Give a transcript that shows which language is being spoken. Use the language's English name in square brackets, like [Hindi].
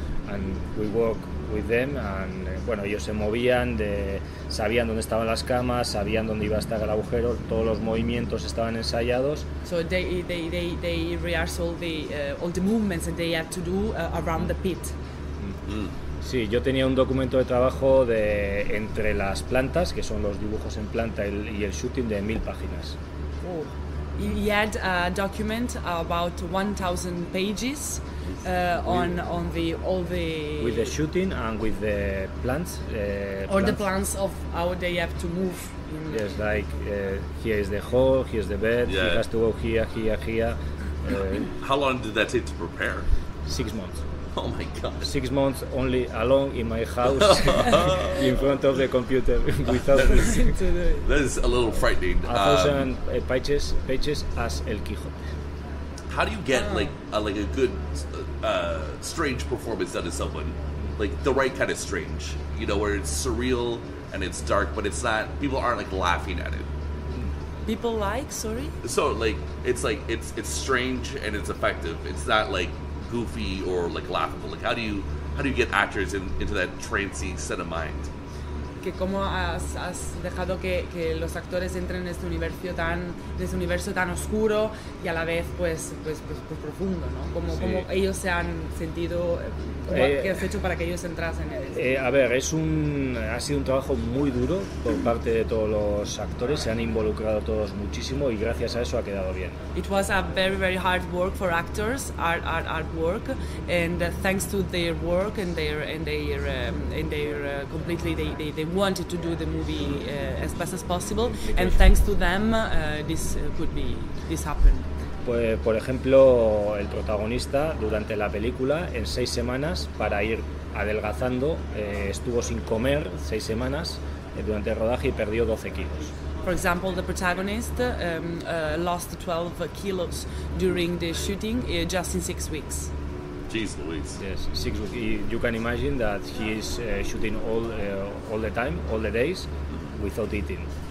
[English] And we work with them, and [Spanish] bueno, ellos se movían, sabían dónde estaban las camas, sabían dónde iba a estar el agujero, todos los movimientos estaban ensayados. [English] So they rehearsed all the movements that they had to do around the pit. [Spanish] Sí, yo tenía un documento de trabajo de entre las plantas, que son los dibujos en planta y el shooting, de 1,000 páginas. [English] He had a document about 1,000 pages on the all the with the shooting and with the plants. The plants of how they have to move. Yes, like here is the hole, here is the bed. Yeah. He has to go here, here, here. How long did that take to prepare? 6 months. Oh my God! 6 months only alone in my house, in front of the computer, without. That is a little frightening. 1,000 pages as El Quijote. How do you get like a good strange performance out of someone, like the right kind of strange? You know, where it's surreal and it's dark, but it's not. People aren't like laughing at it. People like, sorry. So like it's strange and it's effective. It's not like goofy or like laughable. Like how do you get actors into that trancy set of mind? [Spanish] Que cómo has dejado que los actores entren en este universo tan oscuro y a la vez pues profundo, ¿no? Como sí. Como ellos se han sentido, qué has hecho para que ellos entrasen en el. A ver, ha sido un trabajo muy duro por parte de todos los actores. Se han involucrado todos muchísimo y gracias a eso ha quedado bien. [English] It was a very very hard work for actors, hard work, and thanks to their work and they wanted to do the movie as best as possible, and thanks to them this happened. [Spanish] Pues, por ejemplo, el protagonista durante la película, en 6 semanas, para ir adelgazando, estuvo sin comer 6 semanas durante el rodaje y perdió 12 kilos. [English] For example, the protagonist lost 12 kilos during the shooting just in 6 weeks. Jeez Louise. Yes, 6 weeks. You can imagine that he is shooting all the time, all the days, without eating.